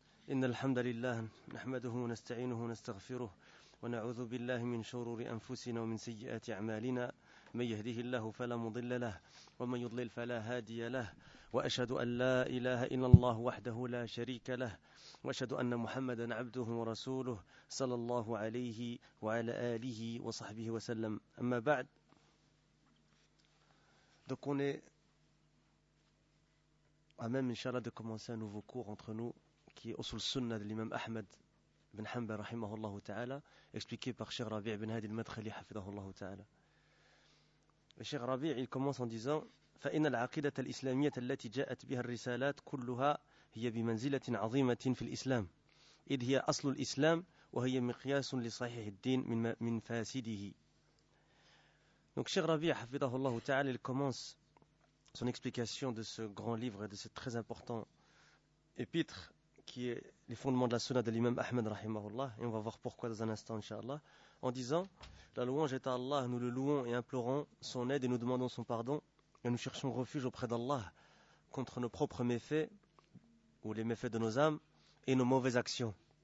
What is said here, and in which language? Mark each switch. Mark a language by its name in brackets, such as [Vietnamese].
[Arabic] إن الحمد لله نحمده ونستعينه ونستغفره ونعوذ بالله من شرور أنفسنا ومن سيئات أعمالنا، من يهده الله فلا مضل له ومن يضلل فلا هادي له، وأشهد أن لا إله إلا الله وحده لا شريك له، وأشهد أن محمدا عبده ورسوله صلى الله عليه وعلى آله وصحبه وسلم. أما بعد، [French] donc on est à même inshallah de commencer un nouveau cours entre nous qui est Usul Sunnah de l'imam Ahmed ibn Hanbal rahimahullah ta'ala, expliqué par Cheikh Rabi' ibn Hadi al-Madkhali hafidhahullah ta'ala. Le Cheikh Rabi' il commence en disant: [Arabic] فإن العقيدة الإسلامية التي جاءت بها الرسالات كلها هي بمنزلة عظيمة في الإسلام إذ هي أصل الإسلام وهي مقياس لصحيح الدين من فاسده. [French] Donc Cheikh Rabi' hafidhahullah ta'ala il commence son explication de ce grand livre et de ce très important épître qui est les fondements de la sunna de l'imam Ahmed rahimahullah, et on va voir pourquoi dans un instant inshallah, en disant: la louange est à Allah, nous le louons et implorons son aide et nous demandons son pardon, et nous cherchons refuge auprès d'Allah contre nos propres méfaits ou les méfaits de nos âmes et nos mauvaises actions.